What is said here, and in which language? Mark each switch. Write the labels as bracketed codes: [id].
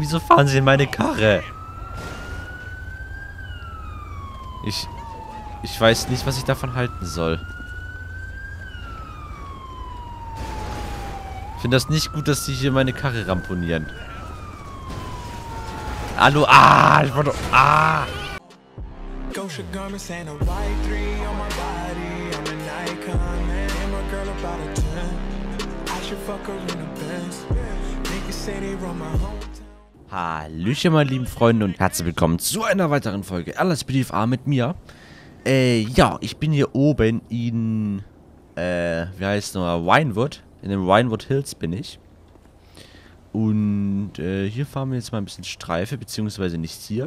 [de] Wieso fahren sie in meine Karre? Ich weiß nicht, was ich davon halten soll. Ich finde das nicht gut, dass sie hier meine Karre ramponieren. Hallo, ich wollte... [en] Gosha garments and a white three on my body. I'm an icon, man, and my girl about a 10. I should fuck her in the Benz. Make a city run my home. [de] Hallöchen, meine lieben Freunde, und herzlich willkommen zu einer weiteren Folge Alles BDFA mit mir. Ja, ich bin hier oben in, wie heißt es nochmal, Winewood. In den Winewood Hills bin ich. Und, hier fahren wir jetzt mal ein bisschen Streife, beziehungsweise nicht hier.